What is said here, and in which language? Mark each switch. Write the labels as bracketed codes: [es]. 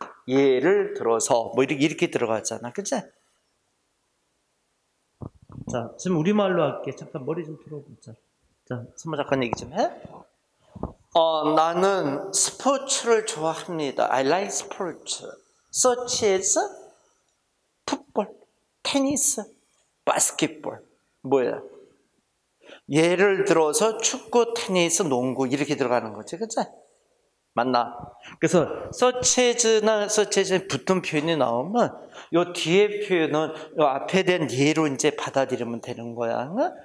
[ko] 예를 들어서 뭐 이렇게 들어갔잖아, 그치? 자, 지금 우리말로 할게. 잠깐 머리 좀 풀어보자. 자, 선배 잠깐 얘기 좀 해. 나는 스포츠를 좋아합니다. [en] I like sports. Such as football, tennis, basketball. [ko] 뭐야? 예를 들어서 축구, 테니스, 농구 이렇게 들어가는 거지, 그치? 맞나? 그래서 서체즈나 서체즈 붙은 표현이 나오면 요 뒤에 표현은 요 앞에 대한 예로 이제 받아들이면 되는 거야. 응?